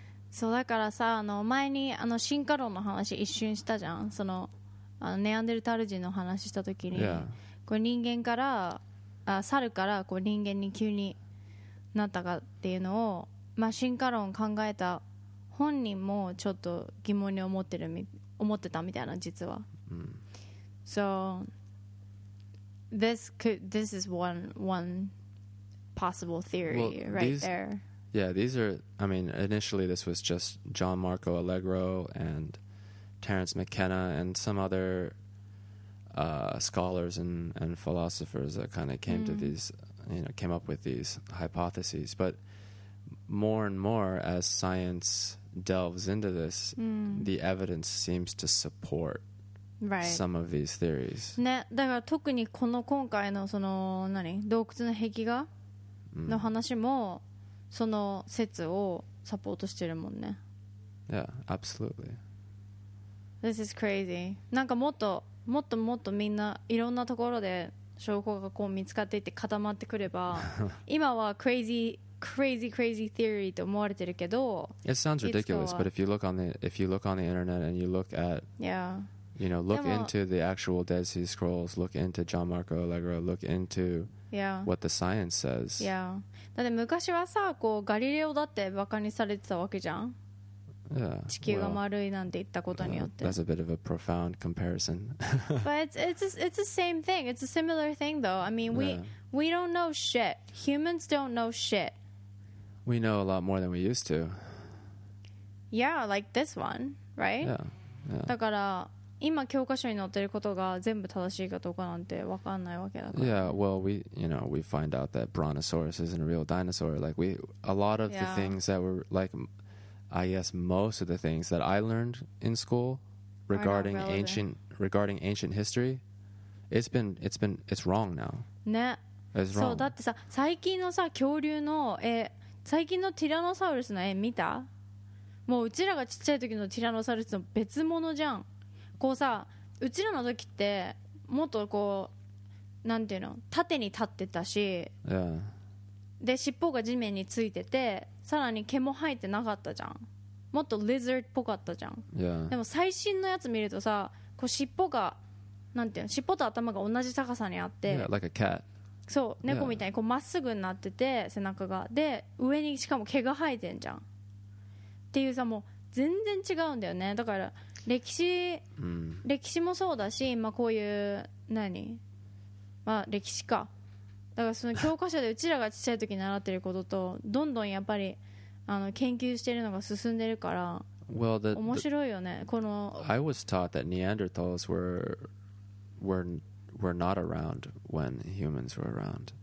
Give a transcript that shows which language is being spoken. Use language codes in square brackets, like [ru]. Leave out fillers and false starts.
[ja] So, だからさ、あの前にあの進化論の話一瞬したじゃん。その、あのネアンデルタル人の話したときに、 [en] yeah. [ja] こう人間からあ猿からこう人間に急になったかっていうのを、まあ、進化論考えた本人もちょっと疑問に思ってる思ってたみたいな実は、 mm. [en] So this is one possible theory well, right these, there yeah these are I mean initially this was just John Marco Allegro and Terence McKenna and some otherscholars and philosophers that kind of came、mm. to these, you know, came up with these hypotheses. But more and more, as science delves into this,、 mm. the evidence seems to support、 right. some of these theories. [ja] ね、だから特にこの今回のその何洞窟の壁画の話もその説をサポートしてるもんね。 [en] Yeah, absolutely. This is crazy. [ja] なんかもっともっともっとみんないろんなところで証拠がこう見つかっていて固まってくれば今はクレイジークレイジークレイジーティーリーと思われてるけど [en] It sounds ridiculous but if you look on the internet and you look at yeah you know look into the actual Dead Sea Scrolls look into John Marco Allegro look into yeah what the science says [ja] yeah だって昔はさこうガリレオだってバカにされてたわけじゃん [en] Yeah, [ja] 地球が丸いなんて言ったことによって [en] That's a bit of a profound comparison But it's the same thing It's a similar thing though I mean, we don't know shit Humans don't know shit We know a lot more than we used to Yeah, like this one, right? Yeah. [ja] だから今教科書に載ってることが全部正しいかどうかなんて分かんないわけだから [en] Yeah, well, we, you know, we find out that Brontosaurus isn't a real dinosaur Like we, a lot of、yeah. the things that were like... I guess most of the things that I learned in school regarding ancient history, it's wrong now. [ja] ね。 [en] It's wrong. [ja] そうだってさ、最近のさ恐竜の絵、最近のティラノサウルスの絵見た？もううちらがちっちゃい時のティラノサウルスの別物じゃん。こうさ、うちらの時ってもっとこうなんていうの、縦に立ってたし。 [en] Yeah. [ja] で尻尾が地面についててさらに毛も生えてなかったじゃんもっとリザードっぽかったじゃん、 [en] yeah. [ja] でも最新のやつ見るとさこう尻尾がなんていうの尻尾と頭が同じ高さにあって [en] yeah, like a cat. [ja] そう猫みたいにこうまっすぐになってて背中がで上にしかも毛が生えてんじゃんっていうさもう全然違うんだよねだから歴史もそうだし、まあ、こういう何、まあ、歴史かだからその教科書でうちらが小さい時に習ってることとどんどんやっぱりあの研究してるのが進んでるから面白いよねこの [en] I was taught that Neanderthals were not around when humans were around